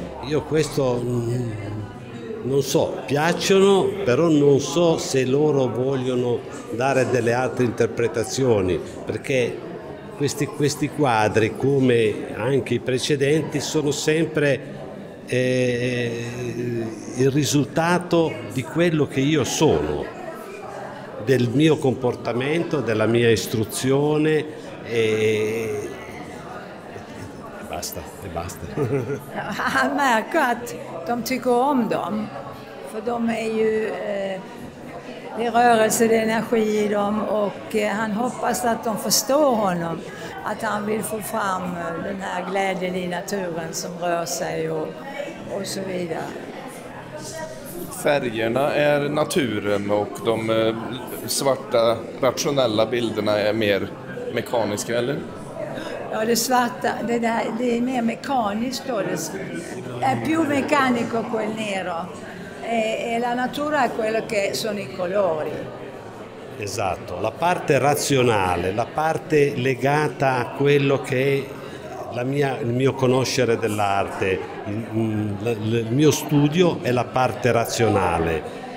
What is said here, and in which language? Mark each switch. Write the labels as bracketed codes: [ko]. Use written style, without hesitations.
[it] Io questo non so, piacciono, però non so se loro vogliono dare delle altre interpretazioni, perché questi quadri, come anche i precedenti, sono sempre il risultato di quello che io sono, del mio comportamento, della mia istruzione e basta. [sv] Han märker att de tycker om dem, för de är ju det rörelse, det energi i dem, och han hoppas att de förstår honom, att han vill få fram den här glädjen i naturen som rör sig och så vidare. Färgerna är naturen och de svarta rationella bilderna är mer mekaniska, eller? Ja, det svarta, det är mer mekaniskt då. Det är [it] più meccanico quel nero. E la natura è quello che sono i colori. Esatto, la parte razionale, la parte legata a quello che è il mio conoscere dell'arte, il mio studio è la parte razionale.